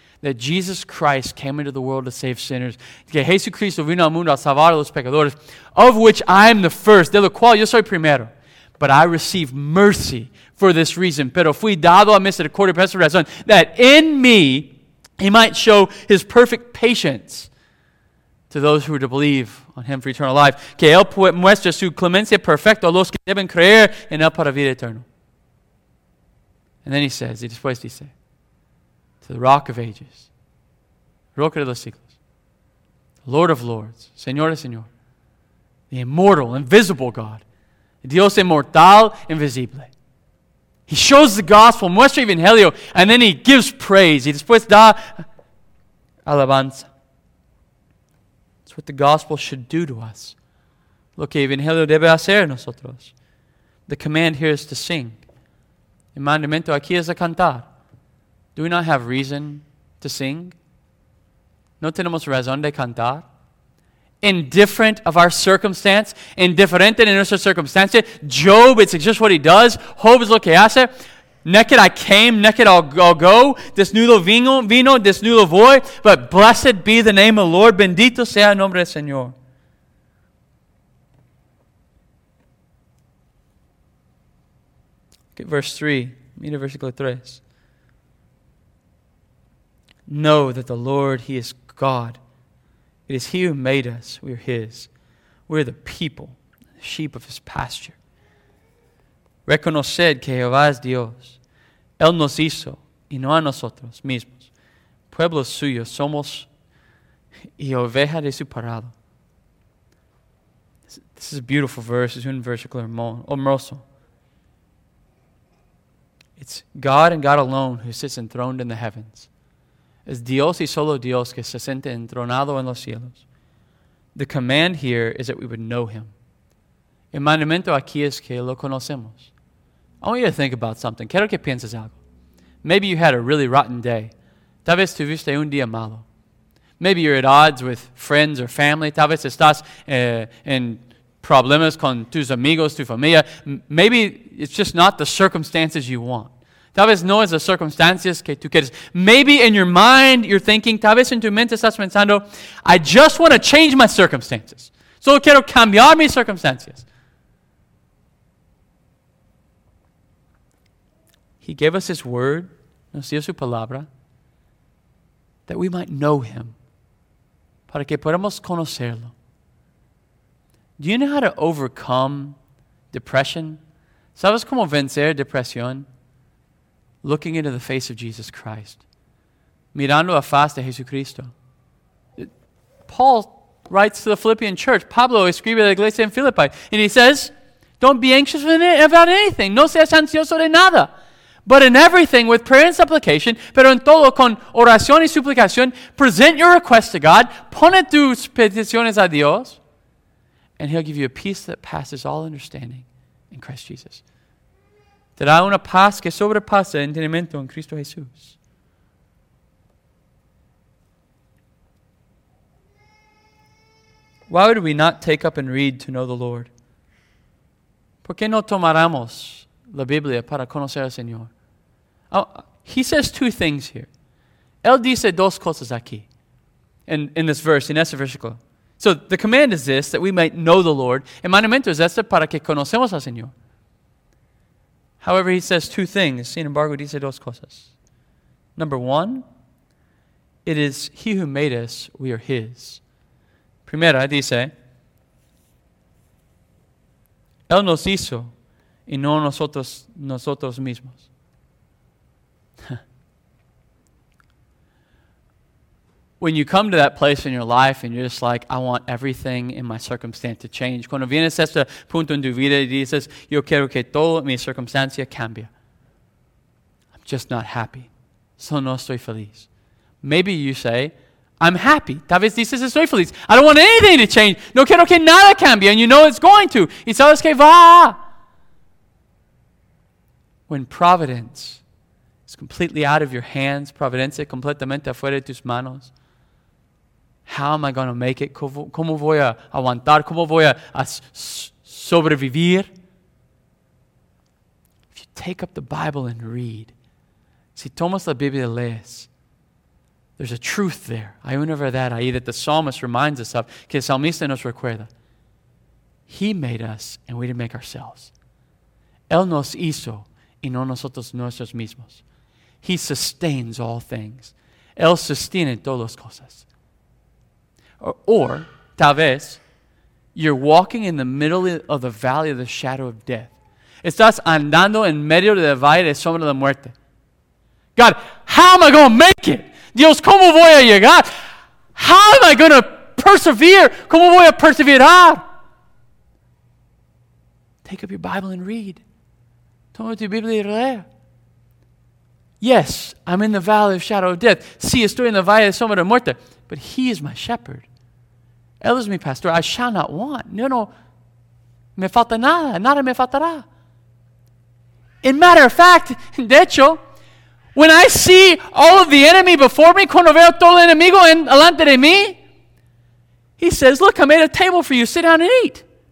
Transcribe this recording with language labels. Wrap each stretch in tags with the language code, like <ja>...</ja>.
<en>That Jesus Christ came into the world to save sinners.</en> <es>Que Jesucristo vino al mundo a salvar a los pecadores,</es> <en>of which I am the first,</en> <es>de lo cual yo soy primero.</es> <en>But I receive mercy for this reason.</en> <es>Pero fui dado a misericordia por esta razón,</es> <en>that in me he might show his perfect patience. to those who are to believe on him for eternal life.</en> <es>Que él muestre su clemencia perfecta a los que deben creer en él para vida eterna.</es> <en>And then he says,</en> <es>y después dice,</es> <en>to the rock of ages,</en> <es>roca de los siglos,</es> <en>Lord of lords,</en> <es>Señor de Señor,</es> <en>the immortal, invisible God,</en> <es>Dios inmortal, invisible.</es> <en>He shows the gospel,</en> <es>muestra evangelio,</es> <en>and then he gives praise.</en> <es>Y después da alabanza.</es> <en>It's what the gospel should do to us.</en> <es>Lo que evangelio debe hacer nosotros.</es> <en>The command here is to sing.</en> <es>El mandamiento aquí es a cantar.</es> <en>Do we not have reason to sing?</en> <es>No tenemos razón de cantar.</es> <en>Indifferent of our circumstance, indifferent in our circumstance. Job, it's just what he does. Job is</en> <es>lo que hace.</es> <en>Naked I came, naked I'll go.</en> <es>Desnudo vino, desnudo voy.</es> <en>But blessed be the name of the Lord.</en> <es>Bendito sea el nombre del Señor.</es> <en>Look at verse 3.</en> <es>Mira versículo 3.</es> <en>Know that the Lord, he is God. It is he who made us. We are his. We are the people, the sheep of his pasture.</en> <es>Reconoced que Jehová es Dios. Él nos hizo, y no a nosotros mismos. Pueblo suyo somos, y oveja de su parado.</es> <en>This is a beautiful verse. It's</en> <es>un versículo hermoso.</es> <en>It's God and God alone who sits enthroned in the heavens.</en> <es>Es Dios y solo Dios que se siente entronado en los cielos.</es> <en>The command here is that we would know him.</en> <es>El mandamiento aquí es que lo conocemos.</es> <en>I want you to think about something.</en> <es>Quiero que pienses algo.</es> <en>Maybe you had a really rotten day.</en> <es>Tal vez tuviste un día malo.</es> <en>Maybe you're at odds with friends or family.</en> <es>Tal vez estás en problemas con tus amigos, tu familia.</es> <en>Maybe it's just not the circumstances you want.</en> <es>Tal vez no es las circunstancias que tú quieres.</es> <en>Maybe in your mind you're thinking,</en> <es>tal vez en tu mente estás pensando,</es> <en>I just want to change my circumstances.</en> <es>Solo quiero cambiar mis circunstancias.</es> <en>He gave us his word,</en> <es>nos dio su palabra,</es> <en>that we might know him,</en> <es>para que podamos conocerlo.</es> <en>Do you know how to overcome depression?</en> <es>¿Sabes cómo vencer depresión?</es> <en>Looking into the face of Jesus Christ.</en> <es>Mirando a face de Jesucristo.</es> <en>Paul writes to the Philippian church.</en> <es>Pablo escribe a la iglesia en Filipi.</es> <en>And he says, don't be anxious about anything.</en> <es>No seas ansioso de nada.</es> <en>But in everything, with prayer and supplication,</en> <es>pero en todo con oración y suplicación,</es> <en>present your request to God.</en> <es>Pone tus peticiones a Dios.</es> <en>And he'll give you a peace that passes all understanding in Christ Jesus.</en> <es>Te da una paz que sobrepasa el entendimiento en Cristo Jesús.</es> <en>Why would we not take up and read to know the Lord?</en> <es>¿Por qué no tomáramos la Biblia para conocer al Señor?</es> <en>He says two things here.</en> <es>Él dice dos cosas aquí.</es> <en>In this verse, in</en> <es>este versículo.</es> <en>So the command is this, that we might know the Lord.</en> <es>El mandamiento es este para que conocemos al Señor.</es> <en>However, he says two things.</en> <es>Sin embargo, dice dos cosas.</es> <en>Number one, it is he who made us, we are his.</en> <es>Primera, dice, él nos hizo y no nosotros mismos.</es> <en>When you come to that place in your life and you're just like, I want everything in my circumstance to change.</en> <es>Cuando vienes a este punto en tu vida y dices, yo quiero que todo mi circunstancia cambie.</es> <en>I'm just not happy.</en> <es>So no estoy feliz.</es> <en>Maybe you say, I'm happy.</en> <es>Tal vez dices, estoy feliz.</es> <en>I don't want anything to change.</en> <es>No quiero que nada cambie.</es> <en>And you know it's going to.</en> <es>Y sabes que va.</es> <en>When providence is completely out of your hands,</en> <es>providencia completamente afuera de tus manos,</es> <en>how am I going to make it?</en> <es>¿Cómo voy a aguantar? ¿Cómo voy a sobrevivir?</es> <en>If you take up the Bible and read,</en> <es>si tomas la Biblia y lees,</es> <en>there's a truth there.</en> <es>Hay una verdad ahí</es> <en>that the psalmist reminds us of,</en> <es>que el salmista nos recuerda.</es> <en>He made us and we didn't make ourselves.</en> <es>Él nos hizo y no nosotros nuestros mismos.</es> <en>He sustains all things.</en> <es>Él sostiene todas las cosas.</es> <en>or</en> <es>tal vez,</es> <en>you're walking in the middle of the valley of the shadow of death.</en> <es>Estás andando en medio del valle de sombra de muerte.</es> <en>God, how am I going to make it?</en> <es>Dios, ¿cómo voy a llegar?</es> <en>How am I going to persevere?</en> <es>¿Cómo voy a perseverar?</es> <en>Take up your Bible and read.</en> <es>Toma tu Biblia y lee.</es> <en>Yes, I'm in the valley of shadow of death.</en> <es>Sí, estoy en la valle de sombra de muerte.</es> <en>But he is my shepherd.</en> <es>Él es mi pastor.</es> <en>I shall not want.</en> <es>No, no. Me falta nada. Nada me faltará.</es> <en>In matter of fact,</en> <es>de hecho,</es> <en>when I see all of the enemy before me,</en> <es>cuando veo todo el enemigo en delante de mí,</es> <en>he says, look, I made a table for you. Sit down and eat.</en>